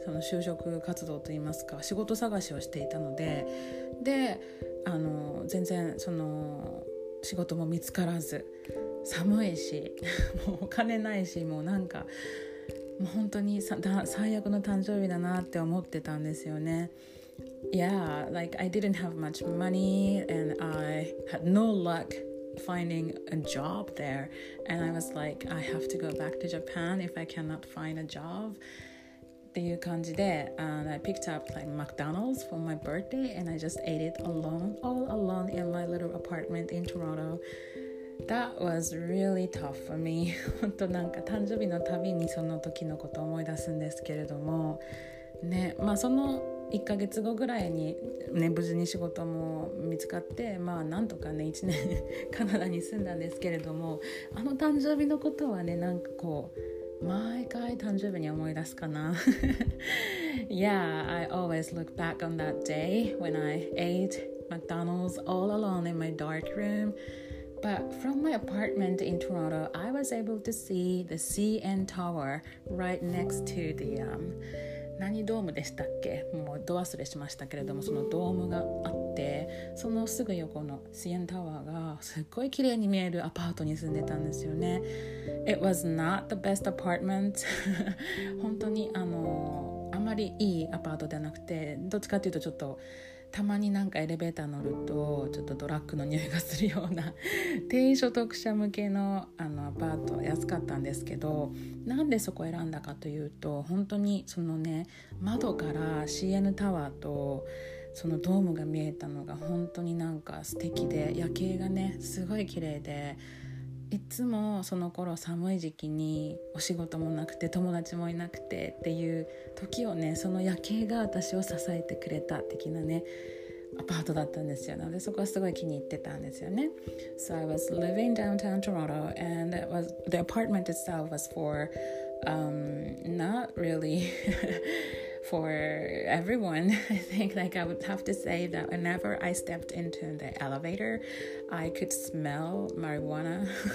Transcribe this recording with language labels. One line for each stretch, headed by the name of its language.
Japanese: その就職活動といいますか仕事探しをしていたので、で全然その仕事も見つからず、寒いしもうお金ないし、もうなんかもう本当に最悪の誕生日だなって思ってたんですよね。
English: Yeah, like I didn't have much money and I had no luck finding a job there. And I was like, I have to go back to Japan if I cannot find a job.
Japanese: っていう感じで、
English: and I picked up like McDonald's for my birthday and I just ate it alone, all alone in my little apartment in Toronto. That was really tough for me.
Japanese: 本当なんか誕生日のたびにその時のことを思い出すんですけれどもね、まあその1ヶ月後ぐらいに、ね、無事に仕事も見つかって、まあ、なんとかね1年カナダに住んだんですけれども、あの誕生日のことはね、なんかこう毎回誕生日に思い出すかな。
English: Yeah, I always look back on that day when I ate McDonald's all alone in my dark room. But from my apartment in Toronto, I was able to see the CN Tower right next to the
Japanese: 何ドームでしたっけ、もうド忘れしましたけれども、そのドームがあって、そのすぐ横の CN タワーがすっごい綺麗に見えるアパートに住んでたんですよね。
English: It was not the best apartment
Japanese: 本当にあまりいいアパートではなくて、どっちかというとちょっとたまになんかエレベーター乗るとちょっとドラッグの匂いがするような低所得者向け の, あのアパート安かったんですけど、なんでそこ選んだかというと、本当にそのね、窓から CN タワーとそのドームが見えたのが本当になんか素敵で、夜景がねすごい綺麗で、いつもその頃寒い時期にお仕事もなくて友達もいなくてっていう時をね、その夜景が私を支えてくれた的なねアパートだったんですよ。なのでそこはすごい気に入ってたんですよね。
English: So I was living downtown Toronto and it was, the apartment itself was for not really for everyone. I think like I would have to say that whenever I stepped into the elevator, I could smell marijuana.